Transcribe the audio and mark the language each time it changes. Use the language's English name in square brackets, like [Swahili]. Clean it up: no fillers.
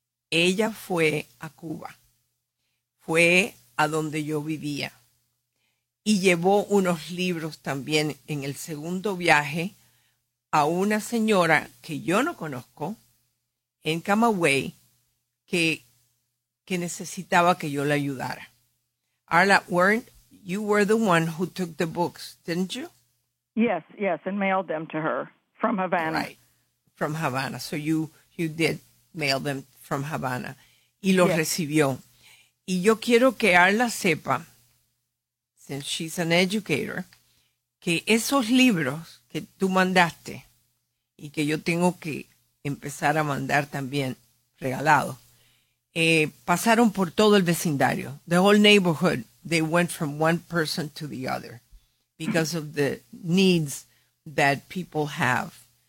[Spanish] Ella fue a Cuba, fue a donde yo vivía y llevó unos libros también en el segundo viaje a una señora que yo no conozco en Camagüey que necesitaba que yo la ayudara. [English] Arla, you were the one who took the books, didn't you? Yes, yes, and mailed them to her from Havana. Right, from Havana. So you did mail them from Havana, [Spanish] y lo recibió. Y yo quiero que Arla sepa, [English] since she's an educator, [Spanish] que esos libros que tú mandaste y que yo tengo que empezar a mandar también regalado, pasaron por todo el vecindario. [English] The whole neighborhood, they went from one person to the other because of the needs that people have.